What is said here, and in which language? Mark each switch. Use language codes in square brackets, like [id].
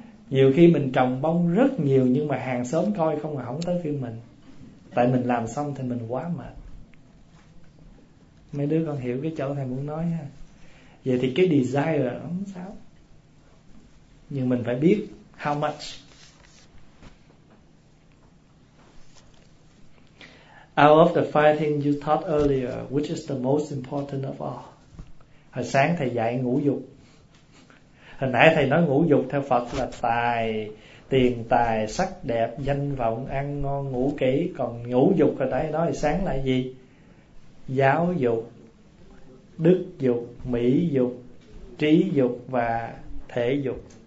[vi] Nhiều khi mình trồng bông rất nhiều nhưng mà hàng xóm coi không, hỏng tới phiên mình, tại mình làm xong thì mình quá mệt. Mấy đứa con hiểu cái chỗ thầy muốn nói ha. Vậy thì cái desire là không sao, nhưng mình phải biết [en] how much. Out of the 5 things you taught earlier, which is the most important of all? [vi] Hồi sáng thầy dạy ngũ dục. Hồi nãy thầy nói ngũ dục theo Phật là tài, tiền tài, sắc đẹp, danh vọng, ăn ngon, ngủ kỹ. Còn ngũ dục hồi nãy nói sáng là gì? Giáo dục, đức dục, mỹ dục, trí dục và thể dục.